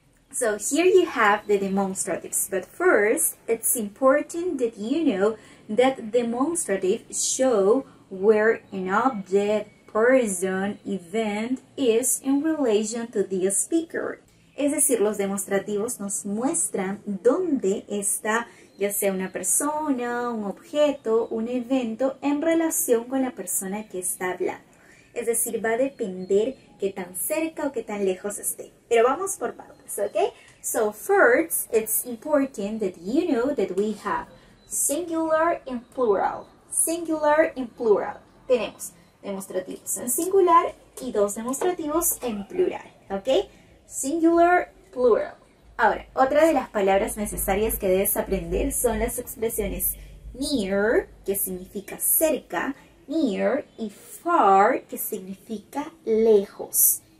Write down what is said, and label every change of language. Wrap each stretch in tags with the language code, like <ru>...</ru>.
<en>So here you have the demonstratives, but first, it's important that you know that demonstrative show where an object, person, event is in relation to the speaker.</en> <es>Es decir, los demostrativos nos muestran dónde está ya sea una persona, un objeto, un evento en relación con la persona que está hablando. Es decir, va a depender qué tan cerca o qué tan lejos esté. Pero vamos por partes, ¿ok?</es> <en>So first, it's important that you know that we have singular and plural. Singular and plural.</en> <es>Tenemos demostrativos en singular y dos demostrativos en plural, ¿ok? Singular, plural. Ahora, otra de las palabras necesarias que debes aprender son las expresiones near, que significa cerca, near, y far, que significa lejos.</es>